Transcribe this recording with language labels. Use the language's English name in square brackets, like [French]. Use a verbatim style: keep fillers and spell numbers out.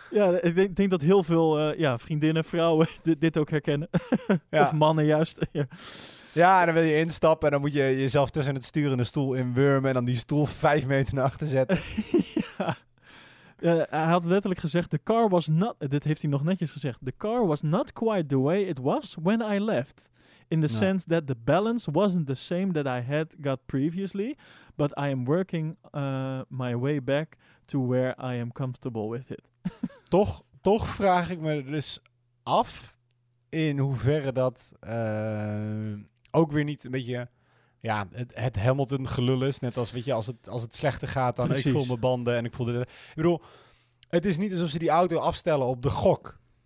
[Dutch] Ja, ik denk, denk dat heel veel uh, ja, vriendinnen, vrouwen dit, dit ook herkennen. Ja. Of mannen juist. Ja. Ja, en dan wil je instappen en dan moet je jezelf tussen het stuur en de stoel inwurmen... en dan die stoel vijf meter naar achter zetten. Ja. Ja, hij had letterlijk gezegd... [English] The car was not... [Dutch] Dit heeft hij nog netjes gezegd. [English] The car was not quite the way it was when I left. In the no. sense that the balance wasn't the same that I had got previously, but I am working uh, my way back to where I am comfortable with it. [Dutch] toch, toch vraag ik me dus af in hoeverre dat uh, ook weer niet een beetje... Ja, het, het Hamilton gelul is. Net als, weet je, als het, als het slechter gaat, dan Precies. Ik voel mijn banden en ik voel dit. Ik bedoel, het is niet alsof ze die auto afstellen op de gok.